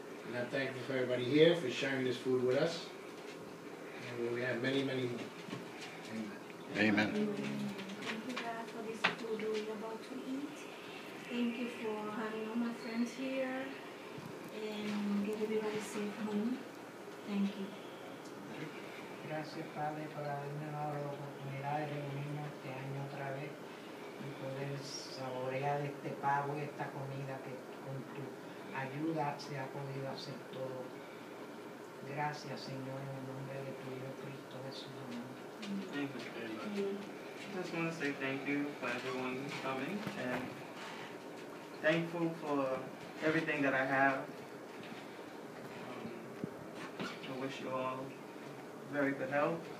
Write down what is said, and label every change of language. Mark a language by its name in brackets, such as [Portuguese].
[English] And I thank you for everybody here for sharing this food with us. And we have many, many more. Amen. Amen. Thank you, God, for this food we're about to eat. Thank you for having all my friends here, and get everybody safe home. Thank you. [Spanish] Gracias, Padre, por haberme dado la oportunidad de reunirnos este año otra vez. Y poder saborear este pavo y esta comida que con tu ayuda se ha podido hacer todo. Gracias, Señor, en el nombre de tu Hijo Cristo Jesús. [English] Thank you very much. I just want to say thank you for everyone coming and thankful for everything that I have. I wish you all very good health.